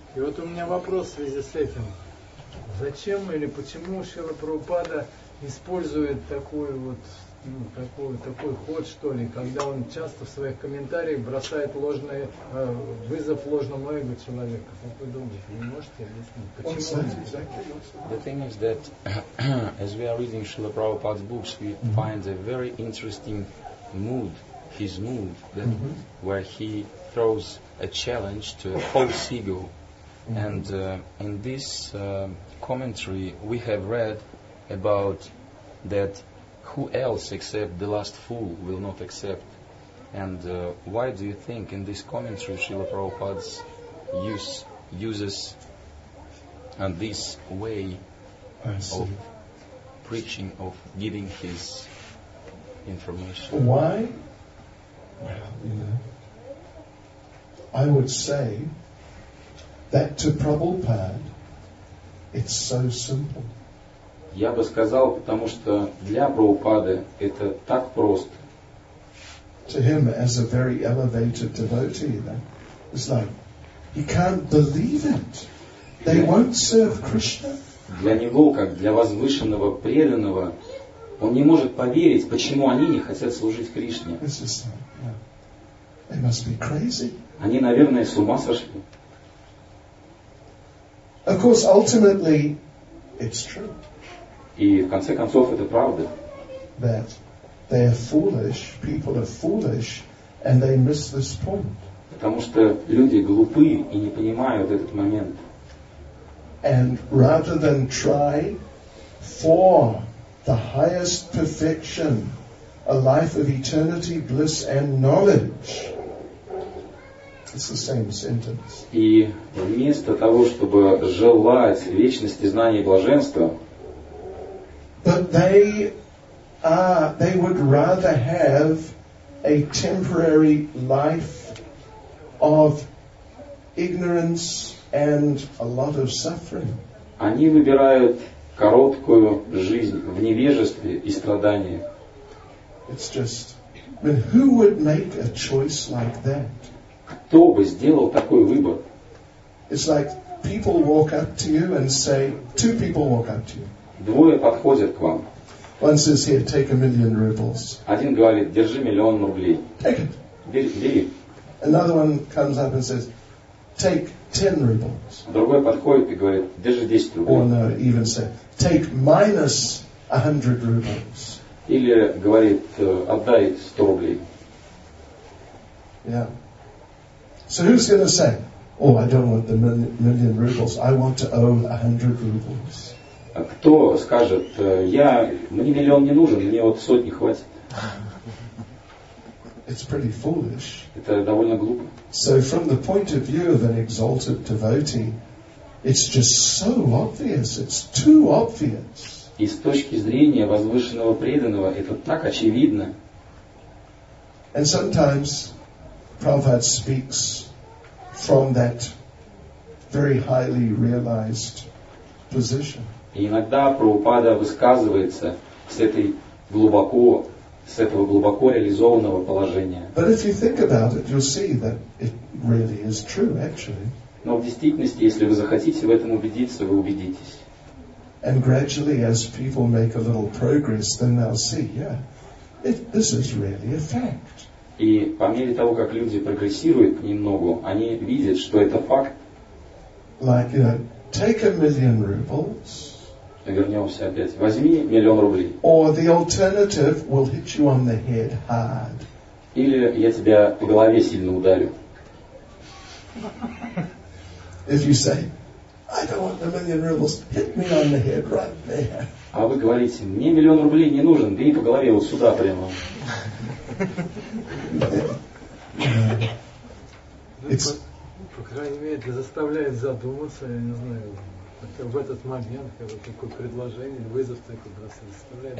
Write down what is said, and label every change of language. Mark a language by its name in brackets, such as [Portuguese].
[Russian] И вот у меня вопрос в связи с этим. Зачем или почему Шрила Прабхупада использует такую вот... Ну, такой ход, что ли, когда он часто в своих комментариях бросает ложный вызов ложному эго человека. Как вы думаете, вы можете объяснить? [English] The thing is that as we are reading Srila Prabhupada's books, we find a very interesting mood, his mood, that where he throws a challenge to a false ego. And in this commentary we have read about that. Who else except the last fool will not accept? And why do you think in this commentary Srila Prabhupada uses this way of preaching, of giving his information? Why? Well, you know, I would say that to Prabhupada it's so simple. [Russian] Я бы сказал, потому что для Прабхупады это так просто. [English] To him, as a very elevated devotee, then, it's like he can't believe it. They won't serve Krishna. [Russian] Для него, как для возвышенного преданного, он не может поверить, почему они не хотят служить Кришне. [English] It's just like, yeah. They must be crazy. [Russian] Они, наверное, с ума сошли. [English] Of course, ultimately, it's true. [Russian] И в конце концов это правда. [English] That they are foolish, people are foolish, and they miss this point. [Russian] Потому что люди глупы и не понимают этот момент. [English] And rather than try for the highest perfection, a life of eternity, bliss and knowledge. It's the same sentence. [Russian] И вместо того, чтобы желать вечности, знания и блаженства, [English] but they would rather have a temporary life of ignorance and a lot of suffering. [Russian] Они выбирают короткую жизнь в невежестве и страданиях. [English] It's just, but who would make a choice like that? [Russian] Кто бы сделал такой выбор? [English] It's like people walk up to you and say, two people walk up to you. [Russian] Двое подходят к вам. [English] One says, here, take a million rubles. [Russian] Один говорит, держи миллион рублей. [English] Take it. [Russian] Бери. [English] Another one comes up and says, take 10 rubles. [Russian] Другой подходит и говорит, держи 10 рублей. [English] Or no, even say, take minus 100 rubles. [Russian] Или говорит, отдай 100 рублей. [English] Yeah. So who's going to say, oh, I don't want the million rubles, I want to own 100 rubles. [Russian] Кто скажет, мне миллион не нужен, мне вот сотни хватит. [English] It's pretty foolish. [Russian] Это довольно глупо. [English] So from the point of view of an exalted devotee, it's just so obvious, it's too obvious. [Russian] И с точки зрения возвышенного преданного, это так очевидно. [English] And sometimes Prabhupada speaks from that very highly realized position. [Russian] И иногда Прабхупада высказывается с этого глубоко реализованного положения. [English] But if you think about it, you'll see that it really is true, actually. [Russian] Но в действительности, если вы захотите в этом убедиться, вы убедитесь. [English] And gradually, as people make a little progress, then they'll see, yeah, this is really a fact. [Russian] И по мере того, как люди прогрессируют немного, они видят, что это факт. [English] Like, you know, take a million rubles. [Russian] Вернемся опять. Возьми миллион рублей. [English] Or the alternative will hit you on the head hard. [Russian] Или я тебя по голове сильно ударю. [English] If you say, I don't want a million rubles, hit me on the head right there. [Russian] А вы говорите, мне миллион рублей не нужен, бей по голове вот сюда прямо. По крайней мере, это заставляет задуматься, я не знаю, в этот момент, когда такое предложение, вызов такой, да, заставляет.